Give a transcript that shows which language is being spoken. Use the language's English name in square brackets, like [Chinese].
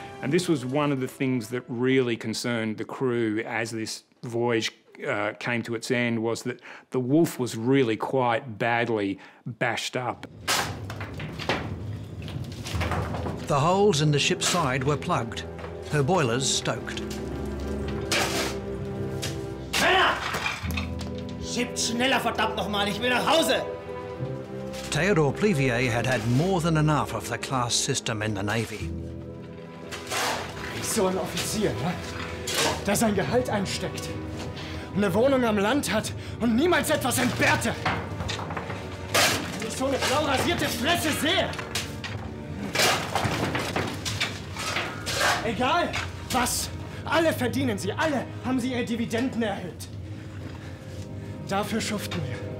[English] And this was one of the things that really concerned the crew as this voyage came to its end, was that the Wolf was really quite badly bashed up. The holes in the ship's side were plugged, her boilers stoked. [German] Männer! Schippt schneller, verdammt nochmal, ich will nach Hause! [English] Theodore Plivier had had more than enough of the class system in the Navy. [German] Ich so ein Offizier, ne? Der sein Gehalt einsteckt, eine Wohnung am Land hat und niemals etwas entbehrte. Wenn ich so eine blau rasierte Fresse sehe. Egal was, alle verdienen sie, alle haben sie ihre Dividenden erhöht. Dafür schuften wir.